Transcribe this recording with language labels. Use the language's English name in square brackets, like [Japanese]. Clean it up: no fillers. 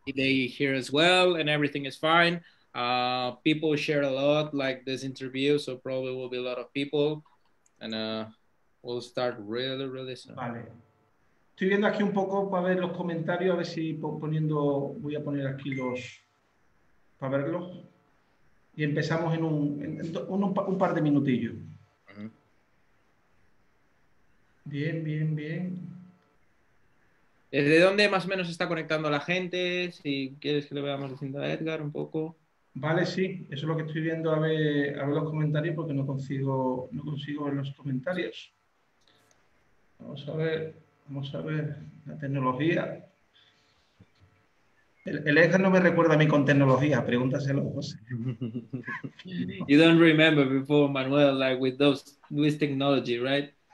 [English] they hear as well and everything is fine. People share a lot like this interview, so probably will be a lot of people. And we'll start really soon. [Spanish] Vale. Estoy viendo aquí un poco para ver los comentarios, a ver si voy a poner aquí para verlos. Y empezamos en un par de minutillos. Bien. ¿Desde dónde más o menos está conectando la gente? Si quieres que le veamos diciendo a Edgar un poco. Vale, sí, eso es lo que estoy viendo a ver los comentarios porque no consigo ver los comentarios. Vamos a ver la tecnología. El Edgar no me recuerda a mí con tecnología, pregúntaselo, José. [English] Remember before, Manuel, like with those with technology, right?